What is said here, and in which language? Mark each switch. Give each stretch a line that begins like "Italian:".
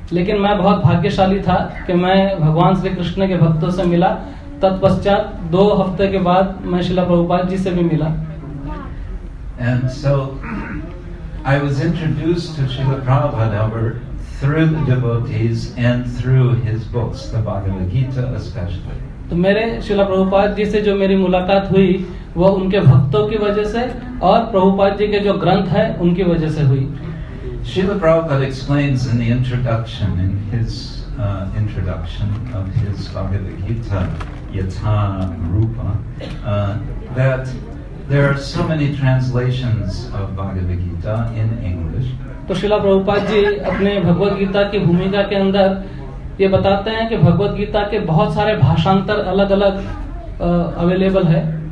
Hindi: लेकिन मैं बहुत भाग्यशाली था कि मैं भगवान श्री कृष्ण के भक्तों से मिला. तत्पश्चात दो हफ्ते के बाद मैं श्रील प्रभुपाद जी से भी मिला.
English: And so, I was introduced to Srila Prabhupada over through the devotees and through his books, the Bhagavad Gita especially.
Hindi: तो मेरे श्रील प्रभुपाद जी से जो मेरी मुलाकात हुई वो उनके भक्तों की वजह से और प्रभुपाद जी के जो ग्रंथ है उनकी वजह से हुई.
English: Shrila Prabhupada explains in the introduction, in his introduction of his Bhagavad Gita, Yatha Rupa, that there are so many translations of Bhagavad Gita in English.
Hindi: तो श्रील प्रभुपाद जी अपने भगवद गीता की भूमिका के अंदर ये बताते हैं कि भगवत गीता के बहुत सारे भाषांतर अलग अलग अवेलेबल है.